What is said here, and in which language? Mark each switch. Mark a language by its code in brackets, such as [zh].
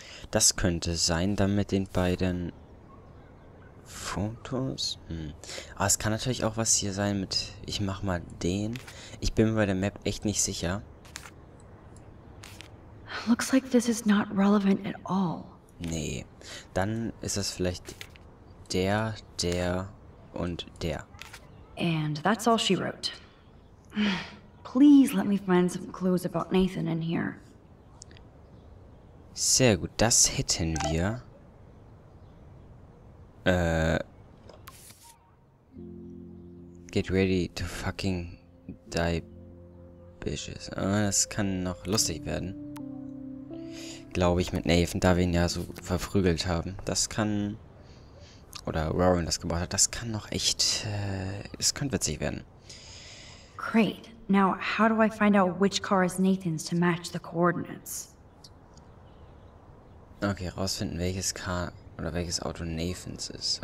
[de] Das könnte sein, dann mit den beiden Fotos. Aber es kann natürlich auch was hier sein mit. Ich mach mal den. Ich bin mir bei der Map echt nicht sicher. [en] Looks like this is not relevant at all. [de] Nee. Dann ist das vielleicht der, der und der. [en] And that's all she wrote. Please let me find some clues about Nathan in here. [de] Sehr gut, das hätten wir. [en] Get ready to fucking die, bitches. [de] Ah, das kann noch lustig werden. Glaube ich mit Nathan, da wir ihn ja so verprügelt haben. Das kann. Oder Warren das gebaut hat. Das kann noch echt. Es könnte witzig werden. [en] Great. Now, how do I find out which car is Nathan's to match the coordinates? [de] Okay, rausfinden, welches Car oder welches Auto Nathans ist.